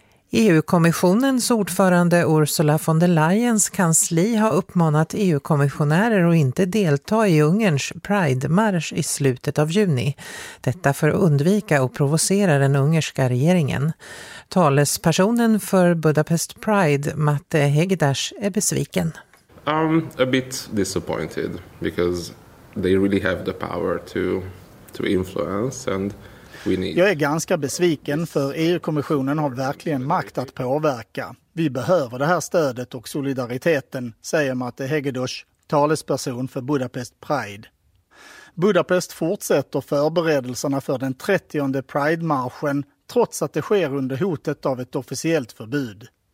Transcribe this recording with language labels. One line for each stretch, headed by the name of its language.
Swedish: EU-kommissionens ordförande Ursula von der Leyens kansli har uppmanat EU-kommissionärer att inte delta i Ungerns Pride-marsch i slutet av juni. Detta för att undvika och provocera den ungerska regeringen. Talespersonen för Budapest Pride, Matte Hegedas, är besviken.
English: A bit disappointed because they really have the power to influence and
Swedish: jag är ganska besviken för EU-kommissionen har verkligen makt att påverka. Vi behöver det här stödet och solidariteten, säger Matte Hegedos, talesperson för Budapest Pride. Budapest fortsätter förberedelserna för den 30:e Pride-marschen trots att det sker under hotet av ett officiellt förbud.